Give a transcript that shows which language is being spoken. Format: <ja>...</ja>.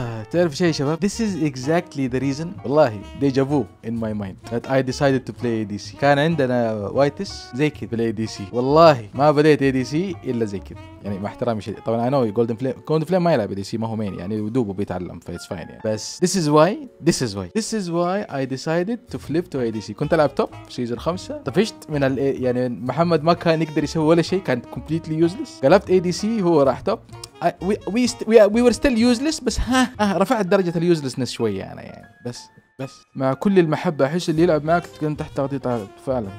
<ar>تعرف شيء شباب؟</ar> <en>This is exactly the reason والله deja vu in my mind that I decided to play ADC.</en> <ar>كان عندنا وايتس زي كذا بالاي دي سي، والله ما بديت اي دي سي الا زي كذا، يعني مع احترامي شديد. طبعا</ar> <en>I know</en> <ar>جولدن فليم، جولدن فليم ما يلعب اي دي سي، ما هو مين يعني، ودوبه بيتعلم فايتس فاين يعني.</ar> <en>بس this is why I decided to flip to ADC.</en> <ar>كنت العب توب سيزون 5، طفشت من يعني محمد ما كان يقدر يسوي ولا شيء، كان</ar> <en>completely useless.</en> <ar>قلبت اي دي سي، هو راح توب.</ar> <en>We were still useless</en> <ar>بس ها رفعت درجة اليوزلسنس شوية أنا يعني. بس مع كل المحبة أحس اللي يلعب معك كنت تحت تغطية فعلا.</ar>